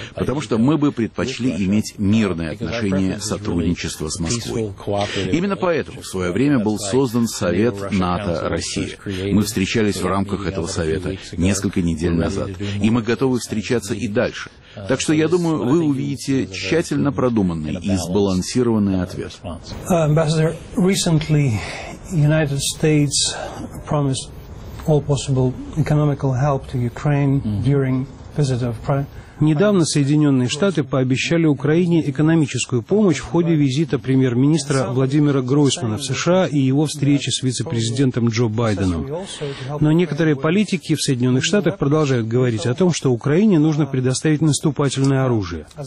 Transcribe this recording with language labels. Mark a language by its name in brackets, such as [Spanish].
[Russian] Потому что мы бы предпочли иметь мирное отношение сотрудничества с Москвой. Именно поэтому в свое время был создан Совет НАТО-Россия. Мы встречались в рамках этого совета несколько недель назад, и мы готовы встречаться и дальше. Так что я думаю, вы увидите тщательно продуманный и сбалансированный ответ. [English] Амбассадор, recently United States promised all possible economical help to Ukraine during visit of Prime. [Russian] Недавно Соединенные Штаты пообещали Украине экономическую помощь в ходе визита премьер-министра Владимира Гройсмана в США и его встречи с вице-президентом Джо Байденом. Но некоторые политики в Соединенных Штатах продолжают говорить о том, что Украине нужно предоставить наступательное оружие.